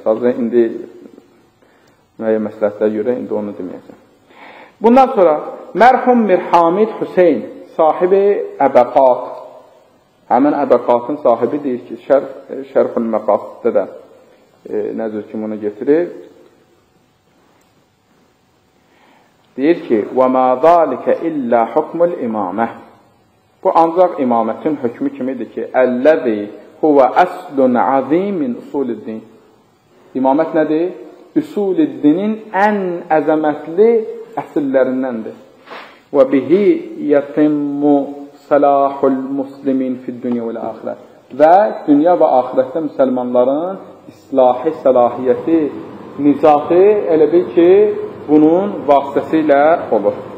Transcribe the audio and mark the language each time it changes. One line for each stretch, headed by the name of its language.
Azerbaijani: Sadəcə indi müəyyən məsələlərə görə indi onu deməyəcəm. Bundan sonra mərhum Mirhamid Hüseyn, sahibi Əbəqat, həmin Əbəqatın sahibi deyir ki, Şərhül Məqasidə də nəzər kimi onu getirir. Deyir ki,
Arabic: وَمَا ذَٰلِكَ إِلَّا حُكْمُ الْإِمَامَةِ
Azerbaijani: Bu ancaq imamətin hökmü kimidir ki,
Arabic: اَلَّذِي هُوَ أَسْلٌ عَظِيمٍ اُصُولِ الدِّينِ
Azerbaijani: İmamət nədir? Üsul-i dinin ən əzəmətli əsillərindəndir.
Arabic: وَبِهِ يَتِمُّ صَلَاحُ الْمُسْلِمِينَ فِي الدُّنْيَا وَالْآخِرَةِ
Azerbaijani: Və dünya və ahirətdə müsəlmanların islahi, səlahiyyəti, nizahi elə bil ki, bunun vasitəsi ilə olur.